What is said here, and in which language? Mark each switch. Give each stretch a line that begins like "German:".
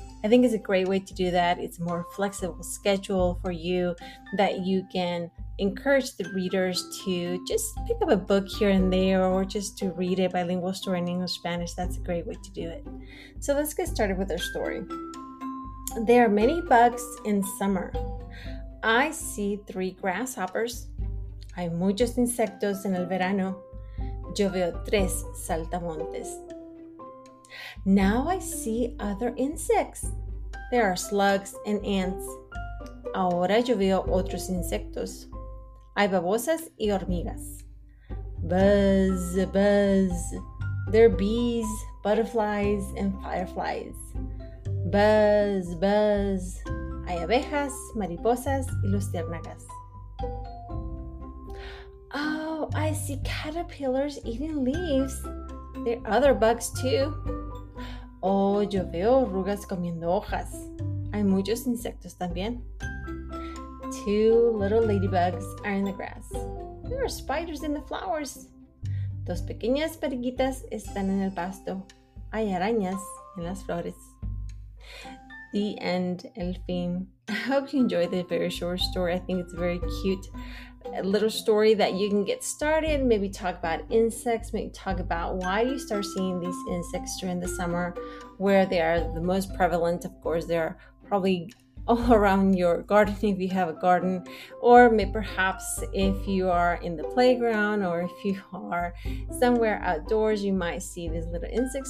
English: I think it's a great way to do that. It's a more flexible schedule for you that you can encourage the readers to just pick up a book here and there or just to read a bilingual story in English, Spanish. That's a great way to do it. So let's get started with our story. There are many bugs in summer. I see three grasshoppers.
Spanish: Hay muchos insectos en el verano. Yo veo tres saltamontes.
English: Now I see other insects. There are slugs and ants.
Spanish: Ahora yo veo otros insectos. Hay babosas y hormigas. Buzz, buzz.
English: There are bees, butterflies, and fireflies. Buzz, buzz.
Spanish: Hay abejas, mariposas, y luciérnagas.
English: Oh, I see caterpillars eating leaves. There are other bugs too.
Spanish: Oh, yo veo orugas comiendo hojas. Hay muchos insectos también.
English: Two little ladybugs are in the grass. There are spiders in the flowers.
Spanish: Dos pequeñas periquitas están en el pasto. Hay arañas en las flores.
English: The end,
Spanish: el fin.
English: I hope you enjoyed the very short story. I think it's very cute. A little story that you can get started, maybe talk about insects, maybe talk about why you start seeing these insects during the summer, where they are the most prevalent. Of course, they're probably all around your garden if you have a garden, or maybe perhaps if you are in the playground or if you are somewhere outdoors, you might see these little insects.